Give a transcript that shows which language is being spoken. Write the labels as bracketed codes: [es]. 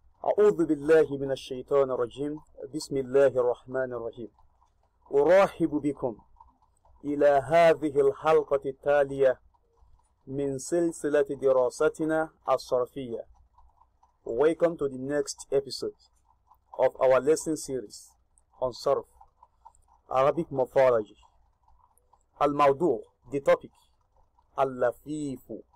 [ar] أعوذ بالله من الشيطان الرجيم، بسم الله الرحمن الرحيم. أرحب بكم إلى هذه الحلقة التالية من سلسلة دراستنا الصرفية. [en] Welcome to the next episode of our lesson series on صرف Arabic morphology. [ar] الموضوع [en] the topic [ar] اللفيف.